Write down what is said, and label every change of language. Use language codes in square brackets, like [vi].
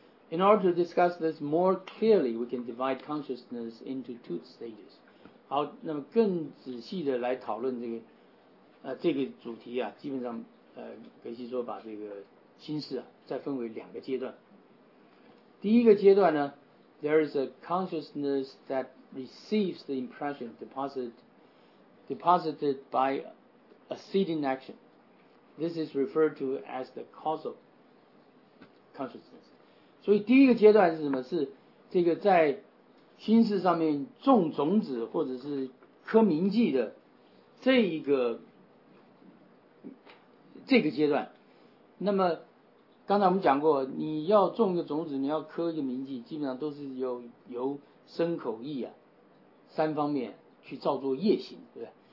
[en] In order to discuss this more clearly, we can divide consciousness into two stages. [zh] 好，那么更仔细的来讨论这个主题啊，基本上格西说把这个心识啊再分为两个阶段。第一个阶段呢， [en] There is a consciousness that receives the impression deposited by a seeding actionThis is referred to as the causal consciousness. [zh] 所以第一个阶段是什么？是这个在心识上面种种子或者是刻铭记的这个阶段。那么刚才我们讲过，你要种一个种子，你要刻一个铭记，基本上都是由身口意啊三方面去造作业行，对不对？